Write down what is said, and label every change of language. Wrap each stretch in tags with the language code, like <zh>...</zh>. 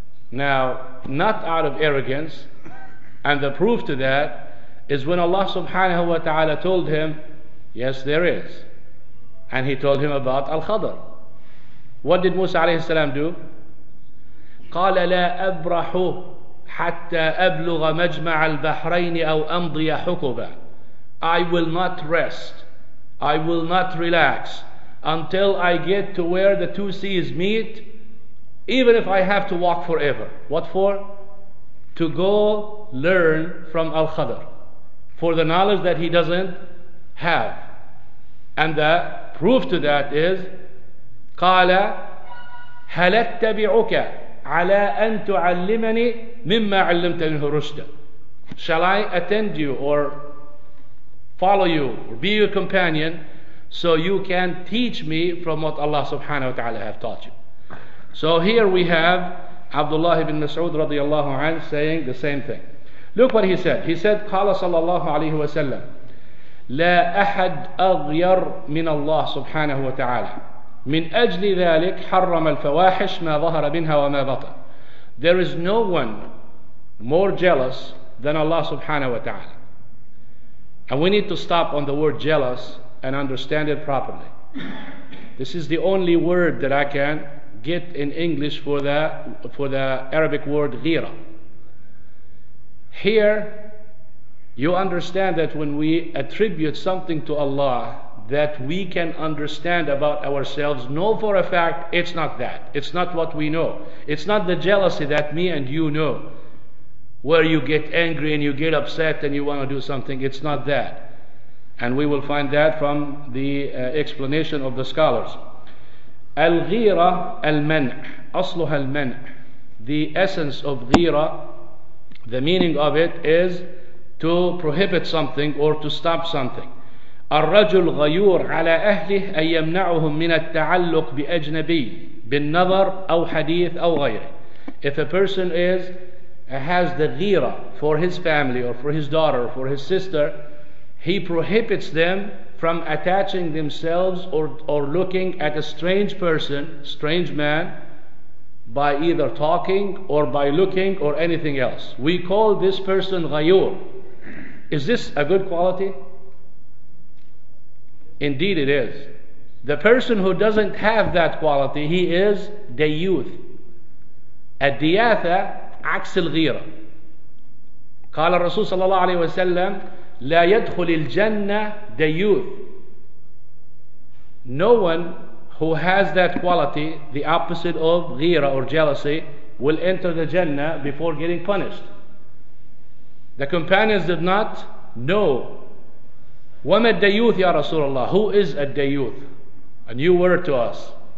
<en>Now, not out of arrogance, and the proof to that is when Allah subhanahu wa ta'ala told him, yes, there is. And he told him about Al-Khadr. What did Musa alayhi salam do?</en> <ar>قال لا أبرح حتى أبلغ مجمع البحرين أو أمضي حكما.</ar> <en>I will not rest, I will not relax until I get to where the two seas meet, even if I have to walk forever. What for? To go learn from Al-Khadr for the knowledge that he doesn't have. And the proof to that is</en> <ar>قال هل أتبعك على أن تعلمني مما علمت منه رشدا.</ar> <en>Shall I attend you or follow you or be your companion so you can teach me from what Allah subhanahu wa ta'ala have taught you? So here we have Abdullah ibn Mas'ud radiallahu anhu saying the same thing. Look what he said. He said,</en> <ar>قال صلى الله عليه وسلم لا أحد أغير من الله سبحانه وتعالى. من أجل ذلك حرم الفواحش ما ظهر منها وما بطن.</ar> <en>There is no one more jealous than Allah subhanahu wa ta'ala. And we need to stop on the word jealous and understand it properly. This is the only word that I can get in English for the Arabic word ghira. Here, you understand that when we attribute something to Allah that we can understand about ourselves, know for a fact, it's not that. It's not what we know. It's not the jealousy that me and you know, where you get angry and you get upset and you want to do something. It's not that. And we will find that from the explanation of the scholars.</en> <ar>Al-ghira al-man', asluha al-man'.</ar> <en>The essence of ghira, the meaning of it is to prohibit something or to stop something.</en> <ar>الرجل غيور على أهله أن يمنعهم من التعلق بأجنبي بالنظر أو حديث أو غيره.</ar> <en>If a person has the ghira for his family or for his daughter or for his sister, he prohibits them from attaching themselves or looking at a strange person, strange man, by either talking or by looking or anything else. We call this person غيور. Is this a good quality? Indeed it is. The person who doesn't have that quality, he is dayuth.</en> <ar>Al-diyatha aks al-ghira. قال الرسول صلى الله عليه وسلم لا يدخل الجنة dayuth.</ar> <en>No one who has that quality, the opposite of ghira or jealousy, will enter the Jannah before getting punished. The companions did not know.</en> <ar>وَمَا الدَّيُّوثِ يَا رَسُولَ اللَّهِ.</ar> <en>Who is a dayuth? A new word to us.</en>